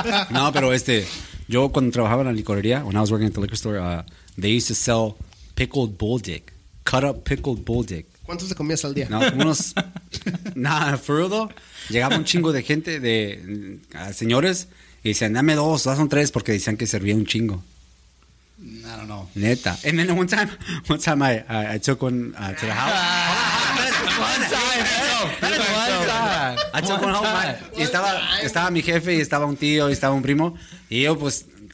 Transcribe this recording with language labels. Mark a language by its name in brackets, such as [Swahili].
[Spanish] No, pero yo cuando trabajaba en la licorería, [English] when I was working at the liquor store, they used to sell pickled bull dick. Cut up pickled bull dick. [Spanish] ¿Cuántos te comías al día? No, unos. Nada, [English] for real though. [Spanish] Llegaba un chingo de gente, de señores, y decían, dame dos, dos son tres, porque decían que servía un chingo. [English] I don't know. [Spanish] Neta. [English] And then one time I took one to the house. One time. [Spanish] Y estaba mi jefe, y estaba un tío, y estaba un primo, y yo pues.